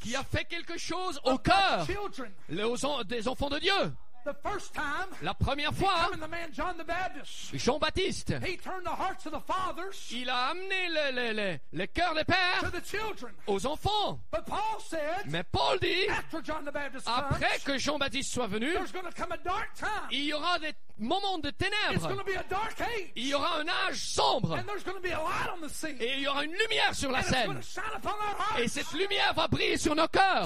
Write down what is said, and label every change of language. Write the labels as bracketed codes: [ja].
[fr] qui a fait quelque chose au cœur des enfants de Dieu. [en] The first time, [fr] la première fois, [en] he came in the man John the Baptist, [fr] Jean Baptiste, [en] he turned the hearts of the fathers, [fr] il a amené le cœur des pères, [en] to the children, [fr] aux enfants. [en] But Paul said, [fr] mais Paul dit, [en] after John the Baptist comes, [fr] après que Jean Baptiste soit venu, [en] there's going to come a dark time, [fr] il y aura des moments de ténèbres, [en] it's going to be a dark age, [fr] il y aura un âge sombre, [en] and there's going to be a light on the scene, [fr] et il y aura une lumière sur la [en] and [fr] scène, [en] it's going to shine upon our hearts, [fr] et cette lumière va briller sur nos cœurs,